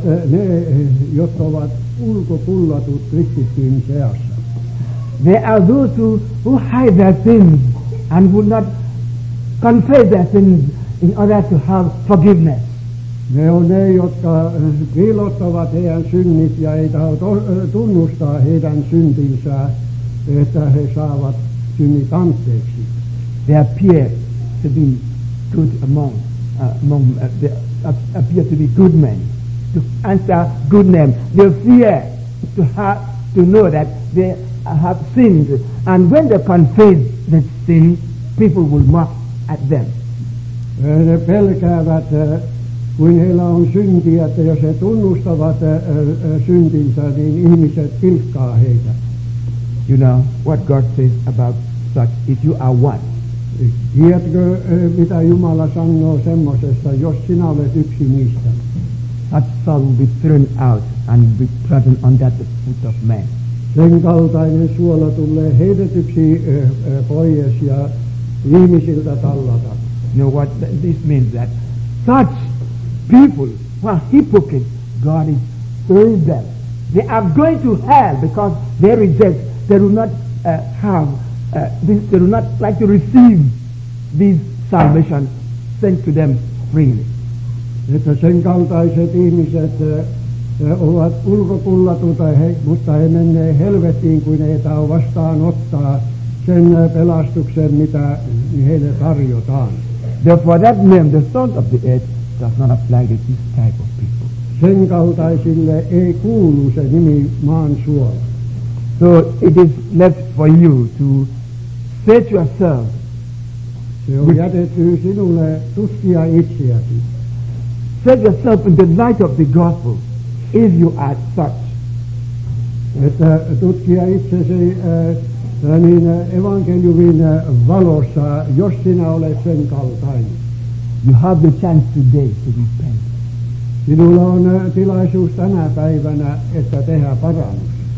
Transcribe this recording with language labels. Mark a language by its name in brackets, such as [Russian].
[Finnish] Ne ovat ulkopullatut kristittyjen seassa. [English] There are those who hide their sins and will not confess their sins in order to have forgiveness. [Finnish] Ne on ne, jotka piilottavat heidän synnit ja ei tunnustaa heidän syntinsä, että he saavat synnit anteeksi. [English] They appear to be good men, to answer good names. They fear to know that they have sinned, and when they confess the sin, people will mock at them. [Finnish] He pelkäävät, kun heillä on syntiä, että jos he tunnustavat syntinsä, niin ihmiset pilkkaa heitä. [English] You know what God says about such, if you are one. [Finnish] Tiedätkö, mitä Jumala sanoo semmoisesta, jos sinä olet yksi niistä. [English] Such salt will be thrown out and be trodden under the foot of man. [Finnish] Sen kaltainen suola tulee heitetyksi pois ja ihmisiltä tallata. [English] You know what this means? That such people who are hypocrites, God is throwing them. They are going to hell because they reject. They will not have. They will not like to receive this salvation sent to them freely. [Finnish] Että sen kaltaiset ihmiset ovat ulkopullatuta, mutta he menee helvettiin, kun ei saa vastaanottaa sen pelastuksen, mitä heille tarjotaan. [English] Therefore that name, the salt of the earth, does not apply to this type of people. [Finnish] Sen kaltaisille ei kuulu se nimi maan suola. [English] So it is left for you to say to yourself. [Finnish] Se on jätetty sinulle tutkia itseäsi. [English] Say to yourself in the light of the gospel. If you are such, [Finnish] että tutkia itsesi niin evankeliumin valossa, jos sinä olet sen kaltainen. [English] You have the chance today to repent. [Finnish] Sinulla on tilaisuus tänä päivänä, että tehdä parannus.